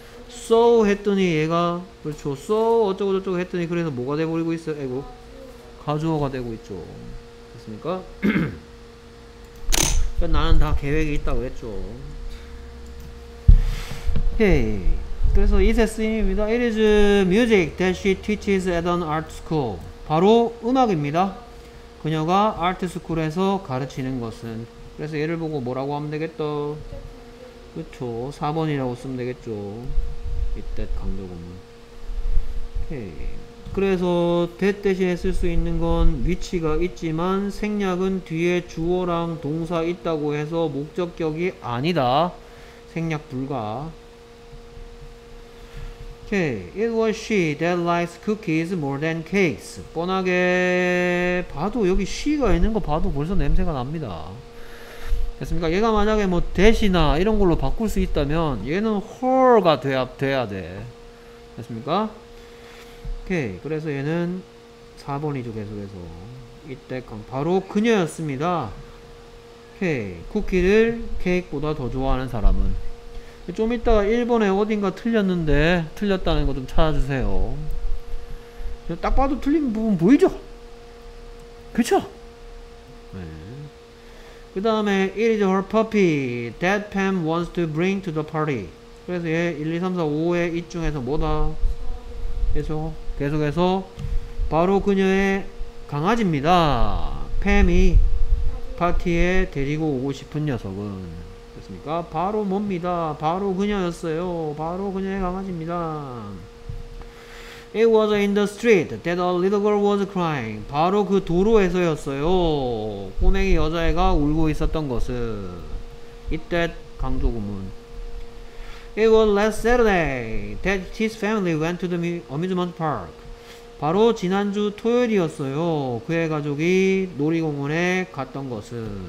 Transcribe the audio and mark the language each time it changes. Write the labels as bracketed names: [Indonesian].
[Korean] so 했더니 얘가 그렇죠. so 어쩌고 저쩌고 했더니 그래서 뭐가 돼버리고 있어? 아이고 가주어가 되고 있죠. 됐습니까? 그러니까 나는 다 계획이 있다고 했죠. 헤이. 그래서 이세 쓰임입니다. [English] It is music that she teaches at an art school. [Korean] 바로 음악입니다. 그녀가 아트스쿨에서 가르치는 것은. 그래서 얘를 보고 뭐라고 하면 되겠다. 그쵸. 4번이라고 쓰면 되겠죠. It that 강조구문. 오케이. 그래서 that 대신에 쓸 수 있는 건 위치가 있지만 생략은 뒤에 주어랑 동사 있다고 해서 목적격이 아니다. 생략 불가. [English] Okay. It was she that likes cookies more than cakes. [Korean] 뻔하게 봐도 여기 she가 있는 거 봐도 벌써 냄새가 납니다. 됐습니까? 얘가 만약에 뭐 that이나 이런 걸로 바꿀 수 있다면 얘는 her가 돼야 돼. 됐습니까? Okay. 그래서 얘는 4번이죠. 계속해서 이때 바로 그녀였습니다. [English] Okay. [Korean] 쿠키를 케이크보다 더 좋아하는 사람은. 좀 이따가 1번에 어딘가 틀렸는데 틀렸다는 거 좀 찾아주세요. 딱 봐도 틀린 부분 보이죠? 그쵸? 네. 그 다음에 [English] It is her puppy that Pam wants to bring to the party. [Korean] 그래서 얘 1, 2, 3, 4, 5의 이 중에서 뭐다? 계속해서 바로 그녀의 강아지입니다. Pam이 파티에 데리고 오고 싶은 녀석은. 됐습니까? 바로 뭡니다. 바로 그녀였어요. 바로 그녀의 강아지입니다. [English] It was in the street that a little girl was crying. [Korean] 바로 그 도로에서였어요. 꼬맹이 여자애가 울고 있었던 것은. [English] It that 강조구문. It was last Saturday that his family went to the amusement park. [Korean] 바로 지난주 토요일이었어요. 그의 가족이 놀이공원에 갔던 것은.